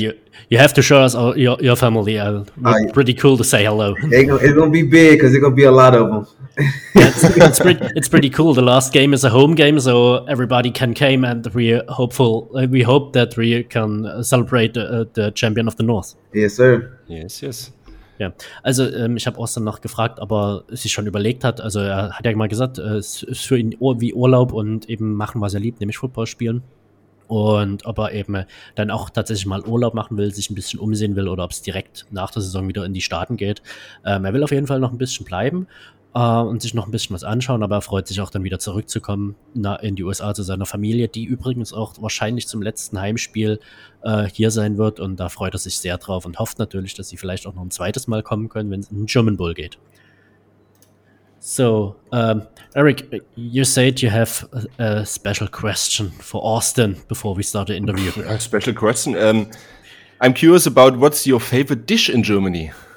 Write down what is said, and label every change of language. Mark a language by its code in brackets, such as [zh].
[en] Yeah, you have to show us your family. Pretty cool to say hello. It's going to be big because it's going to be a lot of them. it's pretty cool. The last game is a home game, so everybody can come, and we hope that we can celebrate the champion of the North. Yes, sir. Yes, yes. [de] Ja, also ich habe Austin noch gefragt, ob er sich schon überlegt hat. Also er hat ja mal gesagt, es ist für ihn wie Urlaub und eben machen, was er liebt, nämlich Football spielen. Und ob er eben dann auch tatsächlich mal Urlaub machen will, sich ein bisschen umsehen will, oder ob es direkt nach der Saison wieder in die Staaten geht. Er will auf jeden Fall noch ein bisschen bleiben und sich noch ein bisschen was anschauen, aber er freut sich auch dann wieder zurückzukommen in die USA zu seiner Familie, die übrigens auch wahrscheinlich zum letzten Heimspiel hier sein wird. Und da freut er sich sehr drauf und hofft natürlich, dass sie vielleicht auch noch ein zweites Mal kommen können, wenn es in den German Bowl geht. [en] So, Eric, you said you have a special question for Austin before we start the interview. A special question. I'm curious about what's your favorite dish in Germany?